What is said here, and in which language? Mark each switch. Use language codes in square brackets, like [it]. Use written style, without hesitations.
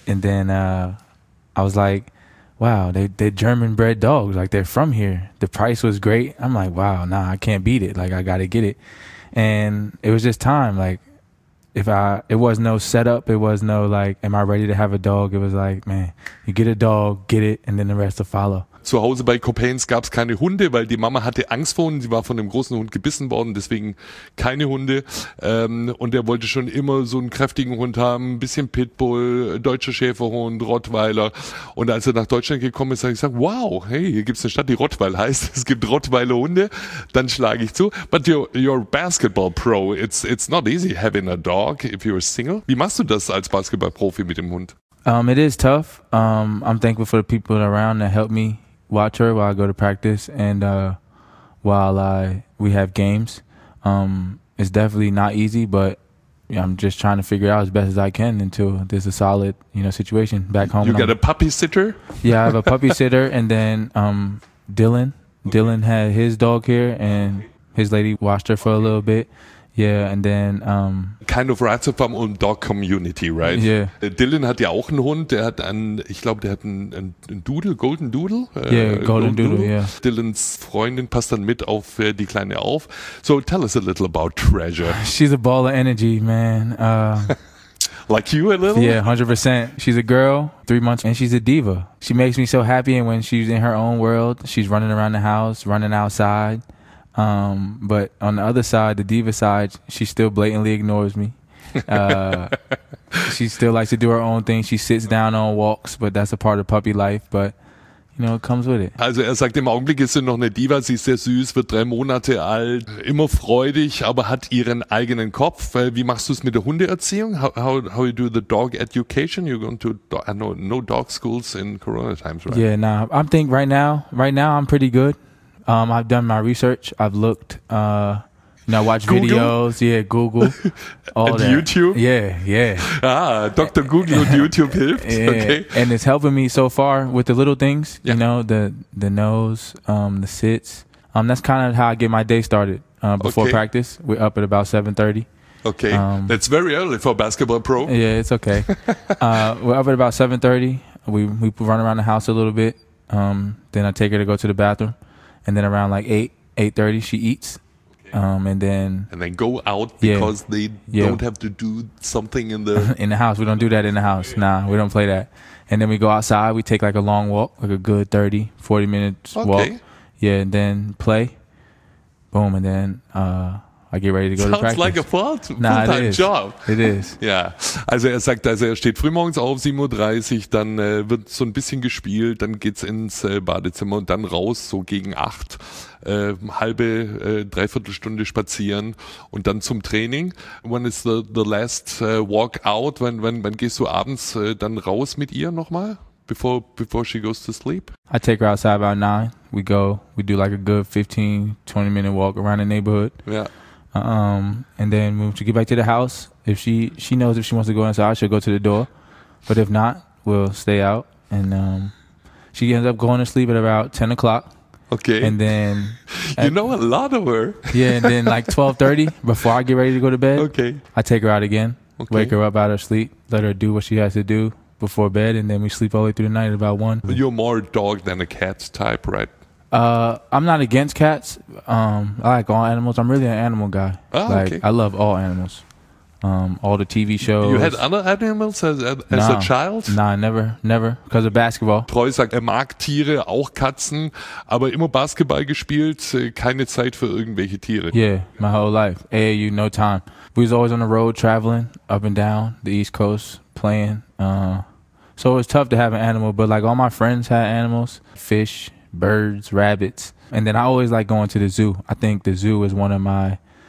[en] And then I was like, wow, they're German bred dogs. Like, they're from here. The price was great. I'm like, wow, nah, I can't beat it. Like, I got to get it. And it was just time. Like, it was no setup. It was no, like, am I ready to have a dog? It was like, man, you get a dog, get it, and then the rest will follow. [de] Zu Hause bei Copains gab es keine Hunde, weil die Mama hatte Angst vor Hunden. Sie war von einem großen Hund gebissen worden, deswegen keine Hunde. Und er wollte schon immer so einen kräftigen Hund haben, ein bisschen Pitbull, deutscher Schäferhund, Rottweiler. Und als er nach Deutschland gekommen ist, habe ich gesagt, wow, hey, hier gibt es eine Stadt, die Rottweil heißt. Es gibt Rottweiler Hunde. Dann schlage ich zu. [en] But you're a basketball pro. It's not easy having a dog if you're single. [de] Wie machst du das als Basketballprofi mit dem Hund? [en] It is tough. I'm thankful for the people around that help me watch her while I go to practice and while we have games. It's definitely not easy, but yeah, I'm just trying to figure out as best as I can until there's a solid, you know, situation back home. You got a puppy sitter? Yeah, I have a puppy sitter, and then Dylan. Okay. Dylan had his dog here, and his lady watched her for a little bit. Yeah, and then kind of Ratio Farm Ulm dog community, right? Yeah. [de] Dylan hat ja auch einen Hund. Der hat einen, ich glaube, der hat einen Doodle, Golden Doodle. [en] Yeah, Golden Doodle. Yeah. [de] Dylans Freundin passt dann mit auf die Kleine auf. [en] So tell us a little about Treasure. She's a ball of energy, man. like you a little? Yeah, 100%. She's a girl, 3 months, and she's a diva. She makes me so happy, and when she's in her own world, she's running around the house, running outside. But on the other side, the diva side, she still blatantly ignores me. she still likes to do her own thing. She sits down on walks, but that's a part of puppy life. But, you know, it comes with it. [de] Also er sagt, im Augenblick ist sie noch eine Diva. Sie ist sehr süß, wird 3 Monate alt, immer freudig, aber hat ihren eigenen Kopf. Wie machst du es mit der Hundeerziehung? [en] How you do the dog education? You're going to, no dog schools in Corona times, right? Yeah, nah, I think right now I'm pretty good. I've done my research. I've looked, you know, watched Google videos. Yeah, Google. All and that. YouTube? Yeah, yeah. Ah, Dr. Google and YouTube helped. Yeah. Okay. And it's helping me so far with the little things, yeah. You know, the nose, the sits. That's kind of how I get my day started before okay. practice. We're up at about 7:30. Okay. That's very early for a basketball pro. Yeah, it's okay. we're up at about 7:30. We run around the house a little bit. Then I take her to go to the bathroom. And then around like 8:30, she eats. Okay. And then go out because yeah, they yeah. don't have to do something in the in the house. We don't do that in the house. Yeah. Nah, we don't play that. And then we go outside. We take like a long walk, like a good 30, 40 minutes okay. walk. Yeah, and then play. Boom, and then I get ready to go sounds to practice. Like a full-time job. It is. [de] Ja, also er sagt, also er steht früh morgens auf, 7:30 Uhr, dann wird so ein bisschen gespielt, dann geht's ins Badezimmer und dann raus, so gegen 8, halbe, dreiviertel Stunde spazieren und dann zum Training. [en] When is the last walk out? [de] Wann gehst du abends dann raus mit ihr nochmal, [en] before she goes to sleep? I take her outside about 9. We do like a good 15, 20 minute walk around the neighborhood. Ja. Yeah. And then when she get back to the house, if she knows if she wants to go inside, she'll go to the door. But if not, we'll stay out. And she ends up going to sleep at about 10 o'clock. Okay. And then... you know a lot of her. Yeah, and then like 12:30, before I get ready to go to bed, okay. I take her out again, okay. Wake her up out of sleep, let her do what she has to do before bed, and then we sleep all the way through the night at about 1. But you're more dog than a cat type, right? I'm not against cats. I like all animals. I'm really an animal guy. Oh, like, okay. I love all animals. All the TV shows. You had other animals as a child? [de] Nein, [en] never, because of basketball. [de] Troy sagt, er mag Tiere, auch Katzen, aber immer Basketball gespielt, keine Zeit für irgendwelche Tiere. [en] Yeah, my whole life, AAU, no time. We was always on the road traveling up and down the East Coast playing. So it was tough to have an animal, but like all my friends had animals, fish, birds, rabbits. And then I always like going to the zoo. I think the zoo is one of my...